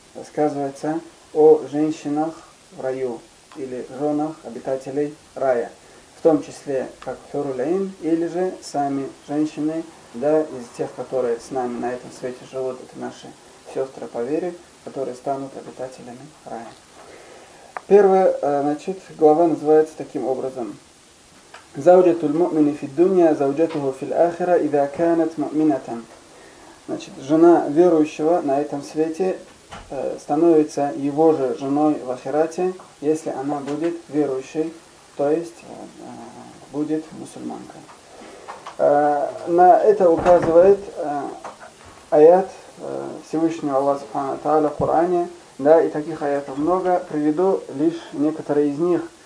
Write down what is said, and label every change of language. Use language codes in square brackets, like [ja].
[ru] Рассказывается о женщинах в раю или женах обитателей рая, в том числе как хюрулейн, или же сами женщины, да, из тех, которые с нами на этом свете живут, это наши сестры по вере, которые станут обитателями рая. Первая, значит, глава называется таким образом. [ar] زوجة المؤمن في الدنيا زوجته في الآخرة إذا كانت مؤمنة. [ru] Значит, жена верующего на этом свете становится его же женой в ахирате, если она будет верующей, то есть будет мусульманкой. На это указывает аят Всевышнего Аллаха Субхана Тааля в Коране, да, и таких аятов много, приведу лишь некоторые из них.